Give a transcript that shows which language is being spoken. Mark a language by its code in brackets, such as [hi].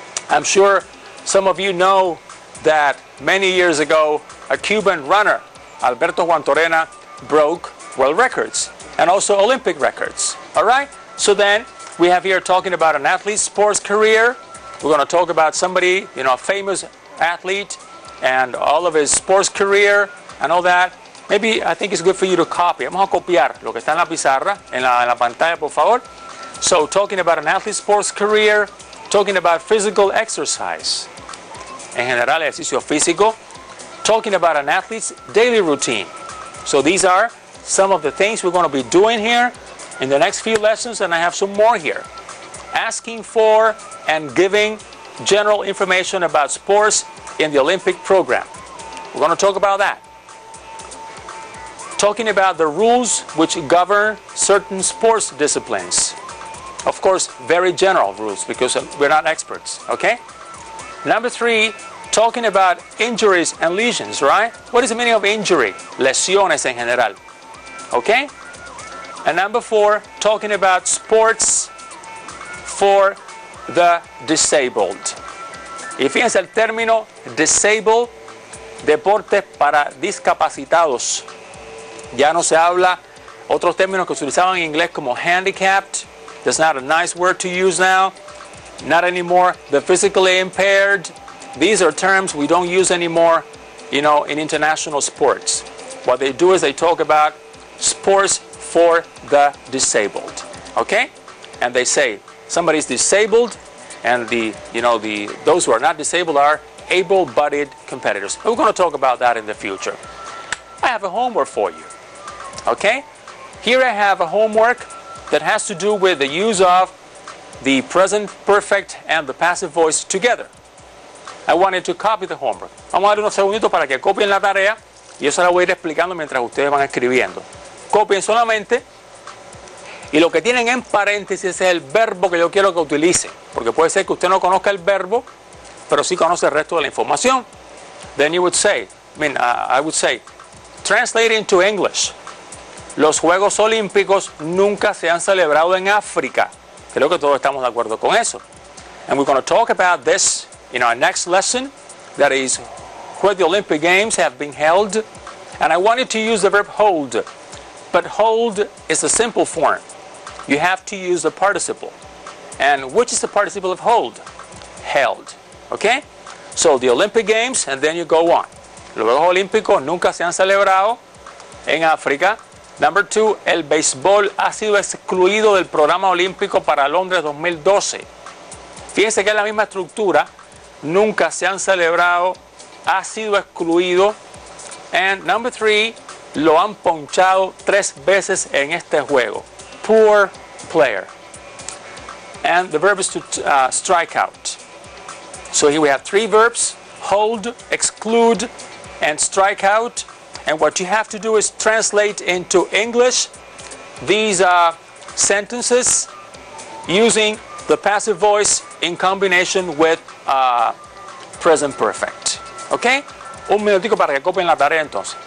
[en] I'm sure some of you know that many years ago a Cuban runner, Alberto Juan Torena, broke world records and also Olympic records. All right, so then we have here talking about an athlete's sports career. We're going to talk about somebody, you know, a famous athlete and all of his sports career and all that. Maybe I think it's good for you to copy. [es] Vamos a copiar lo que está en la pizarra, en la pantalla, por favor. [en] So, talking about an athlete's sports career, talking about physical exercise, [es] en general ejercicio físico, [en] talking about an athlete's daily routine. So, these are some of the things we're going to be doing here in the next few lessons, and I have some more here. Asking for and giving general information about sports in the Olympic program. We're going to talk about that. Talking about the rules which govern certain sports disciplines. Of course, very general rules, because we're not experts, okay? Number three, talking about injuries and lesions, right? What is the meaning of injury? [es] Lesiones en general, [en] okay? And number four, talking about sports for the disabled. [es] Y fíjense el término disabled, deportes para discapacitados. Ya no se habla otros términos que se utilizaban en inglés como handicapped. [en] That's not a nice word to use now. Not anymore. The physically impaired. These are terms we don't use anymore, you know, in international sports. What they do is they talk about sports for the disabled. Okay? And they say somebody's disabled and the, you know, the those who are not disabled are able-bodied competitors. We're going to talk about that in the future. I have a homework for you. Okay, here I have a homework that has to do with the use of the present perfect and the passive voice together. I wanted to copy the homework. [es] Vamos a dar unos segunditos para que copien la tarea y eso la voy a ir explicando mientras ustedes van escribiendo. Copien solamente y lo que tienen en paréntesis es el verbo que yo quiero que utilicen, porque puede ser que usted no conozca el verbo, pero sí conoce el resto de la información. [en] Then you would say, I would say, translate into English. [es] Los Juegos Olímpicos nunca se han celebrado en África. Creo que todos estamos de acuerdo con eso. [en] And we're going to talk about this in our next lesson, that is, where the Olympic Games have been held. And I wanted to use the verb hold, but hold is a simple form. You have to use the participle. And which is the participle of hold? Held. Okay? So the Olympic Games, and then you go on. [es] Los Juegos Olímpicos nunca se han celebrado en África. Number two, el béisbol ha sido excluido del programa olímpico para Londres 2012. Fíjense que es la misma estructura, nunca se han celebrado, ha sido excluido. [en] And number three, [es] lo han ponchado 3 veces en este juego. [en] Poor player. And the verb is to strike out. So here we have 3 verbs, hold, exclude, and strike out. And what you have to do is translate into English these sentences using the passive voice in combination with present perfect. Okay? [es] Un minutico para que copien la tarea entonces.